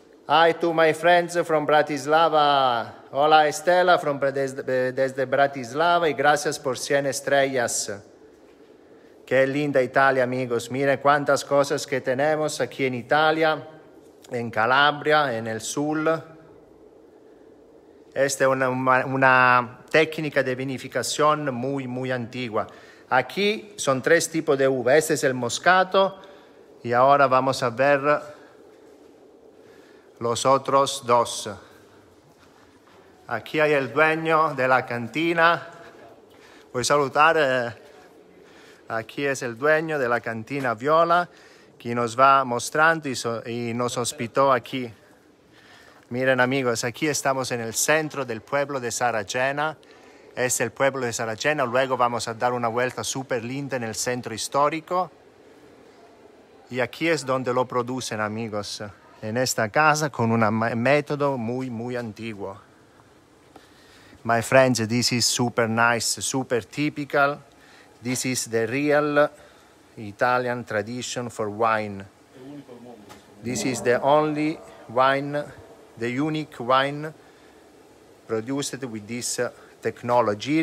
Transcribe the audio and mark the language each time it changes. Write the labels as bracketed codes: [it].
[en] Hi to my friends from Bratislava. [es] Hola Estela from desde Bratislava e gracias por 100 estrellas. Che linda Italia, amigos. Mire quantas cosas que tenemos aquí en Italia, en Calabria, en el sur. [it] Questa è una tecnica di vinificazione molto, molto antigua. Qui sono tre tipi di uva. Questo es è il moscato. E ora [es] vamos a ver los otros dos. [it] Qui hay il dueño della cantina. Vuoi salutare? Qui è il dueño della cantina Viola, che [es] nos va mostrando [it] e nos ospitò qui. [es] Miren amigos, aquí estamos en el centro del pueblo de Saracena. Es el pueblo de Saracena. Luego vamos a dar una vuelta súper linda en el centro histórico. Y aquí es donde lo producen, amigos. En esta casa con un método muy, muy antiguo. [en] My friends, this is super nice, super typical. This is the real Italian tradition for wine. This is the only wine... The unique wine produced with this technology.